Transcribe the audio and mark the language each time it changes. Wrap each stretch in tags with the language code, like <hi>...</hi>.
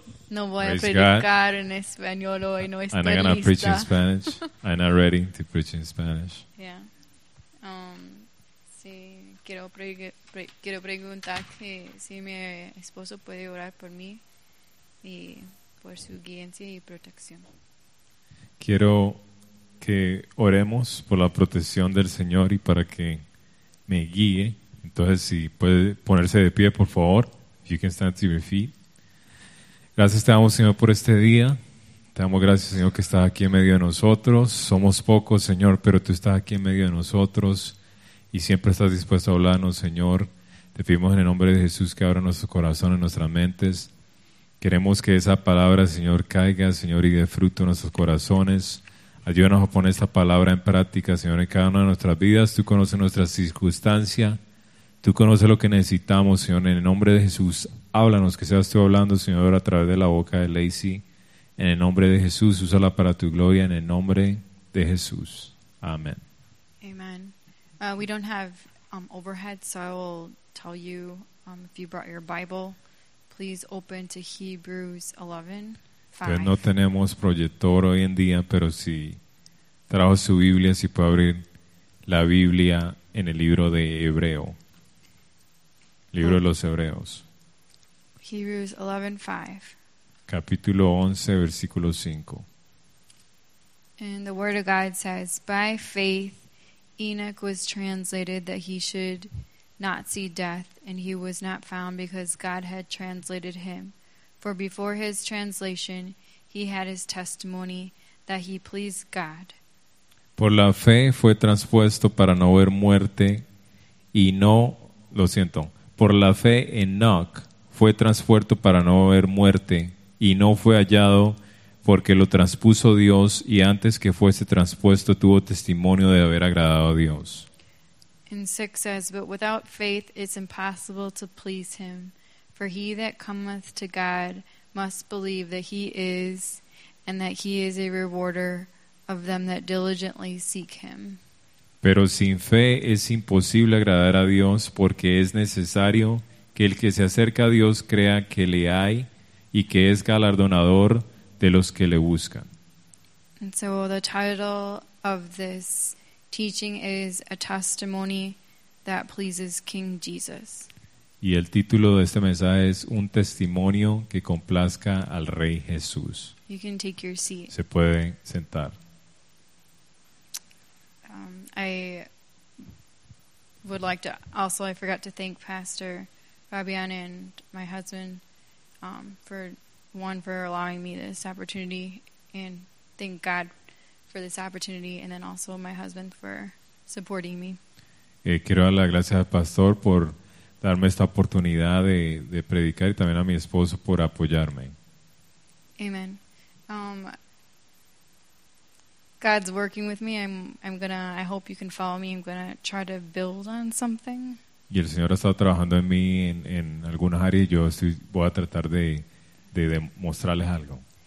<es>No voy a predicar en español hoy, no estoy lista.</es> <en>I'm not going to preach in Spanish. I'm not ready to preach in Spanish. Yeah.</en> <es>Sí, quiero preguntar que si mi esposo puede orar por mí y por su guía y protección. Quiero que oremos por la protección del Señor y para que me guíe. Entonces, si puede ponerse de pie, por favor. If you can stand to your feet. Gracias te damos, Señor, por este día. Te damos gracias, Señor, que estás aquí en medio de nosotros. Somos pocos, Señor, pero tú estás aquí en medio de nosotros y siempre estás dispuesto a hablarnos, Señor. Te pedimos en el nombre de Jesús que abra nuestro corazón y nuestras mentes. Queremos que esa palabra, Señor, caiga, Señor, y dé fruto en nuestros corazones. Ayúdanos a poner esta palabra en práctica, Señor, en cada una de nuestras vidas. Tú conoces nuestra circunstancia. Tú conoces lo que necesitamos, Señor, en el nombre de Jesús. Háblanos, que seas tú hablando, Señor, a través de la boca de Lacey. En el nombre de Jesús, úsala para tu gloria, en el nombre de Jesús. Amén.</es> <en>Amen. We don't have overhead, so I will tell you, if you brought your Bible, please open to Hebrews 11:5.</en> <es>No tenemos proyector hoy en día, pero si trajo su Biblia, si puede abrir la Biblia en el libro de Hebreo. Libro de los Hebreos.</es> <en>Hebrews 11:5.</en> <es>Capítulo 11, versículo 5.</es> <en>And the word of God says, by faith Enoch was translated that he should not see death, and he was not found because God had translated him. For before his translation, he had his testimony that he pleased God.</en> <es>Por la fe fue transpuesto para no ver muerte, y no, lo siento, por la fe Enoch fue transpuesto para no ver muerte, y no fue hallado porque lo transpuso Dios, y antes que fuese transpuesto tuvo testimonio de haber agradado a Dios.</es> <en>And 6 says, but without faith it's impossible to please him. For he that cometh to God must believe that he is, and that he is a rewarder of them that diligently seek him.</en> <es>Pero sin fe es imposible agradar a Dios, porque es necesario que el que se acerca a Dios crea que le hay y que es galardonador de los que le buscan.</es> <en>And so the title of this teaching is A Testimony That Pleases King Jesus.</en> <es>Y el título de este mensaje es Un Testimonio que Complazca al Rey Jesús.</es> <en>You can take your seat.</en> <es>Se puede sentar.</es> <en>I would like to also, I forgot to thank Pastor Fabian and my husband for allowing me this opportunity, and thank God for this opportunity, and then also my husband for supporting me.</en> <es>Quiero dar las gracias al pastor por darme esta oportunidad de predicar, y también a mi esposo por apoyarme.</es> <en>Amen. God's working with me. I hope you can follow me. I'm gonna try to build on something.</en> <es>Y el Señor ha estado trabajando en mí en algunas áreas, y yo voy a tratar de demostrarles algo.</es>